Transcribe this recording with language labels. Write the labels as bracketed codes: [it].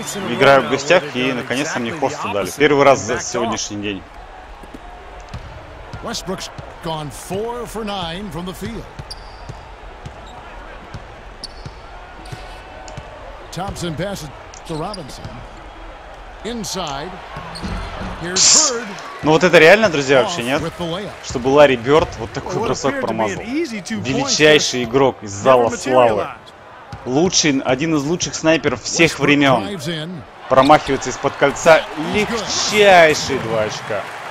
[ru] Играю в гостях, и наконец-то мне хост дали. Первый раз за сегодняшний день. [en] Westbrook's gone 4-for-9 from the field. Thompson passes to Robinson. Inside. Here's Bird. [ru] Ну вот это реально, друзья, вообще нет. Чтобы Ларри Бёрд вот такой бросок промазал. Величайший игрок из зала славы. Лучший, один из лучших снайперов всех времен. Промахивается из-под кольца. Легчайшие два очка.